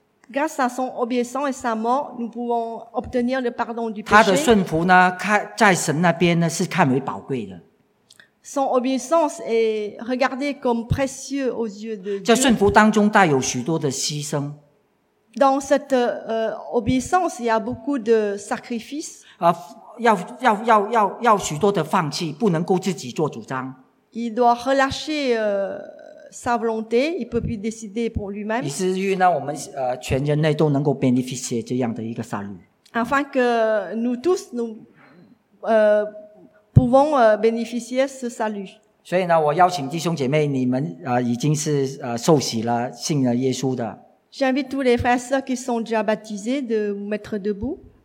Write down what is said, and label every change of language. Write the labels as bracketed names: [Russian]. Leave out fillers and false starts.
[French] Grâce à son obéissance et sa mort, nous pouvons obtenir le pardon du péché. [Chinese] 他的顺服呢，在神那边呢是看为宝贵的。 [French] Son obéissance est regardée comme précieux aux yeux de Dieu. [Chinese] 这顺服当中带有许多的牺牲。 [French] Dans cette obéissance, il y a beaucoup de sacrifices. [Chinese] 要许多的放弃，不能够自己做主张。 [French] Il doit relâcher sa volonté. Il peut plus décider pour lui-même. [Chinese] 以至于呢，我们全人类都能够 bénéficier 这样的一个杀戮。 [French] Afin que nous tous nous pouvons bénéficier ce salut. [Chinese] 所以呢，我邀请弟兄姐妹，你们已经是受洗了，信了耶稣的。 [French] J'invite tous les frères et sœurs qui sont déjà baptisés de vous mettre debout.